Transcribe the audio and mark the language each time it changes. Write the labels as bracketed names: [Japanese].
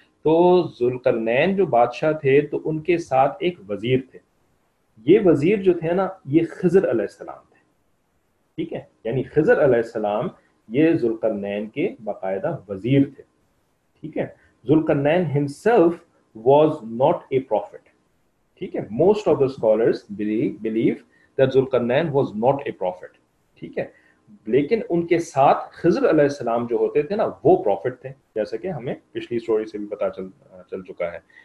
[Urdu] تو ذوالقرنین جو بادشاہ تھے تو ان کے ساتھ ایک وزیر تھے. یہ وزیر جو تھے نا, یہ خضر علیہ السلام تھے. ٹھیک ہے, یعنی خضر علیہ السلام یہ ذوالقرنین کے باقاعدہ وزیر تھے. ٹھیک ہے, [English] Zulqarnain himself was not a prophet. [Urdu] ٹھیک ہے, [English] Most of the scholars believe that Zulqarnain was not a prophet. [Urdu] ٹھیک ہے, لیکن ان کے ساتھ خضر علیہ السلام جو ہوتے تھے نا, وہ پروفٹ تھے, جیسا کہ ہمیں پچھلی اسٹوری سے بھی پتا چل چکا ہے.